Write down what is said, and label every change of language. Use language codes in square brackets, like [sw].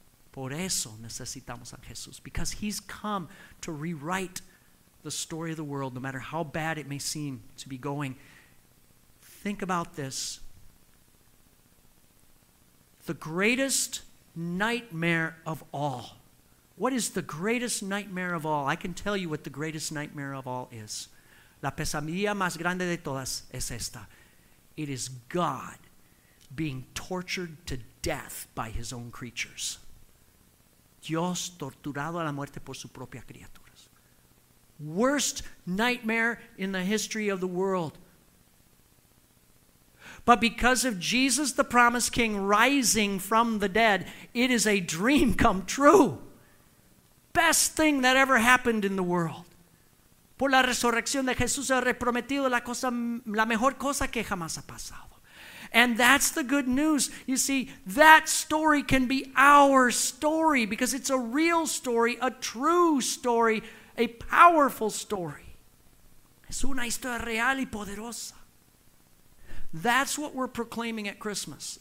[es] Por eso necesitamos a Jesús. [en] Because he's come to rewrite the story of the world, no matter how bad it may seem to be going. Think about this. The greatest nightmare of all. What is the greatest nightmare of all? I can tell you what the greatest nightmare of all is. [es] La pesadilla más grande de todas es esta. [en] It is God being tortured to death by his own creatures. [es] Dios torturado a la muerte por sus propias criaturas. [en] Worst nightmare in the history of the world. But because of Jesus, the promised king, rising from the dead, it is a dream come true. Best thing that ever happened in the world. [es] Por la resurrección de Jesús ha reprometido la mejor cosa que jamás ha pasado. [en] And that's the good news. You see, that story can be our story because it's a real story, a true story, a powerful story. [es] Es una historia real y poderosa. [en] That's what we're proclaiming at Christmas.